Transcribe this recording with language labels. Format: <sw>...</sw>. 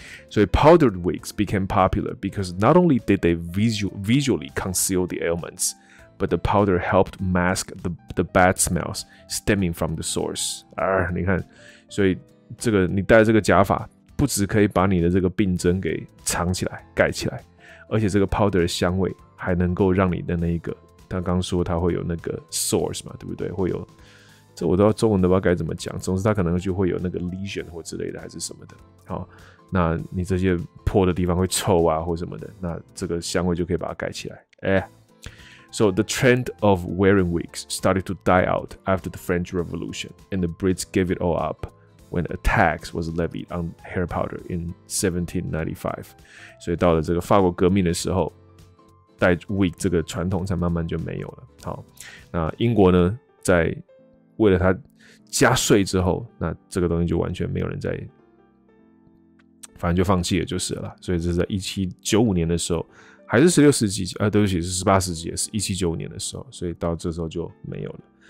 <en>所以 powdered wigs became popular because not only did they visually conceal the ailments, but the powder helped mask the bad smells stemming from the source.</en> <zh>你看，所以这个你戴这个假发，不只可以把你的这个病征给藏起来、盖起来，而且这个 powder 的香味还能够让你的那一个，他刚说他会有那个 source 嘛，对不对？会有，这我都要中文的话该怎么讲？总之他可能就会有那个 lesion 或之类的，还是什么的，好。那你这些破的地方会臭啊或什么的，那这个香味就可以把它盖起来。</zh> <en>So the trend of wearing wigs started to die out after the French Revolution, and the Brits gave it all up when a tax was levied on hair powder in 1795.</en> <zh>所以到了这个法国革命的时候，戴 wig 这个传统才慢慢就没有了。好，那英国呢，在为了它加税之后，那这个东西就完全没有人在。反正就放弃了就是了，所以这是在1795年的时候，还是16世纪，对不起，是18世纪，是1795年的时候，所以到这时候就没有了。</zh>